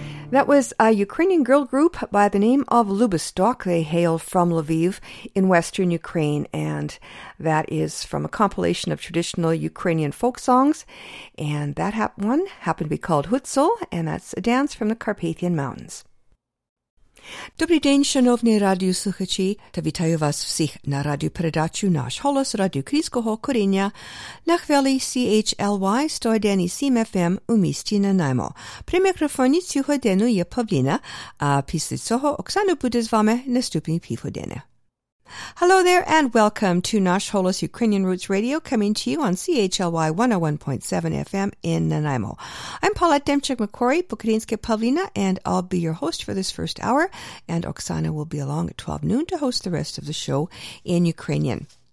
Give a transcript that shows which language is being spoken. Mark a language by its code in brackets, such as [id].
[en] That was a Ukrainian girl group by the name of Lubostok. They hail from Lviv in western Ukraine, and that is from a compilation of traditional Ukrainian folk songs, and that one happened to be called Hutsul, and that's a dance from the Carpathian Mountains. [uk] Добрий день, шановні радіослухачі, та вітаю вас всіх на радіопередачу «Наш голос» радіокрізького коріння на хвилі CHLY 101.7 FM у місті Нанаймо. При мікрофоні цю годину є Павліна, а після цього Оксана буде з вами наступні півгодини. [en] Hello there and welcome to Nash Holos Ukrainian Roots Radio, coming to you on CHLY 101.7 FM in Nanaimo. I'm Paulette Demchuk-McCory, Bukharinska Pavlina, and I'll be your host for this first hour, and Oksana will be along at 12 noon to host the rest of the show in Ukrainian.